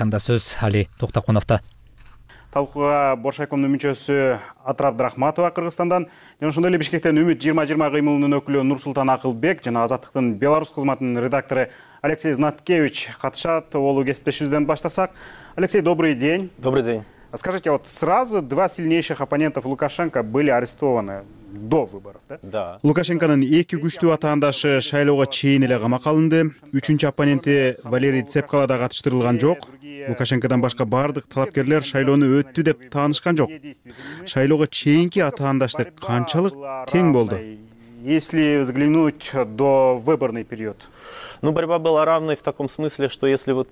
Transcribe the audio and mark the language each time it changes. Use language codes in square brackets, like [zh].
[ky] Анда сөз Али Токтоконовто. Талкууга Боршайкомдун мүчөсү Атырап Рахматова Кыргызстандан жана ошондой эле Бишкектен Үмүт 2020 кыймылынын өкүлү Нурсултан Акылбек жана Азаттыктын Беларусь кызматынын редактору Алексей Знаткевич катышат. Олу кесиптешибизден баштасак. [ru] Алексей, добрый день. Добрый день. Скажите, вот сразу два сильнейших оппонентов Лукашенко были арестованы до выборов, да? Да. [ky] Лукашенконун эки күчтүү атаандашы шайлоого чейин эле камакка алынды. Үчүнчү оппоненти Валерий Цепкала да катыштырылган жок. Лукашенкодан башка баардык талапкерлер шайлоону өттү деп таанышкан жок. Шайлоого чейинки атаандаштык канчалык тең болду? [ru] Если взглянуть до выборный период. Ну, борьба была равной в таком смысле, что если вот...